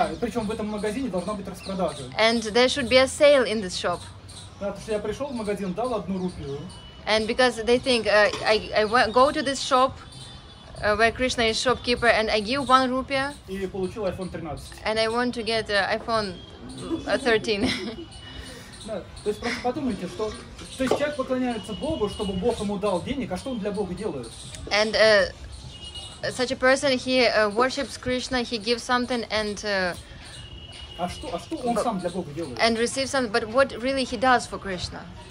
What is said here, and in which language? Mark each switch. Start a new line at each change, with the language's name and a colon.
Russian: Да, причем в этом магазине должна быть распродажа.
English: And there should be a sale in this shop.
Russian: Да, то есть я пришел в магазин, дал 1 рупию.
English: And because they think I go to this shop where Krishna is shopkeeper and I give 1 rupee.
Russian: И получил iPhone 13.
English: And I want to get iPhone 13.
Russian: Да, то есть просто подумайте, что то есть человек поклоняется Богу, чтобы Бог ему дал денег, а что он для Бога делает?
English: And such a person, he worships Krishna, he gives something, and And receive something, but what really he does for Krishna?